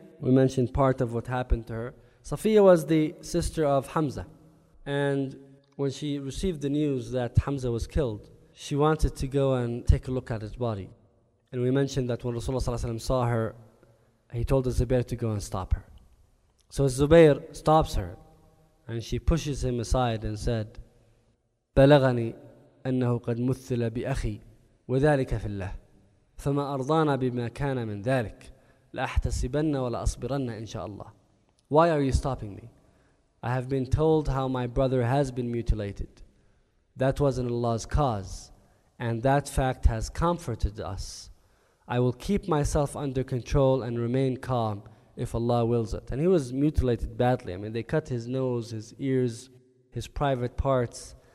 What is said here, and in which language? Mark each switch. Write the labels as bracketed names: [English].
[English] We mentioned part of what happened to her. Safiyyah was the sister of Hamza. And when she received the news that Hamza was killed, she wanted to go and take a look at his body. And we mentioned that when Rasulullah ﷺ saw her, he told Zubair to go and stop her. So Zubair stops her, and she pushes him aside and said, [Arabic] بَلَغَنِي أَنَّهُ قَدْ مُثِّلَ بِأَخِي وَذَلِكَ فِي اللَّهِ فَمَا أَرْضَانَا بِمَا كَانَ مِنْ ذَلِكَ لَأَحْتَسِبَنَّ وَلَأَصْبِرَنَّ إِنْ شَاءَ اللَّهِ. [English] Why are you stopping me? I have been told how my brother has been mutilated. That was in Allah's cause. and that fact has comforted us. I will keep myself under control and remain calm if Allah wills it. And he was mutilated badly. I mean, they cut his nose, his ears, his private parts.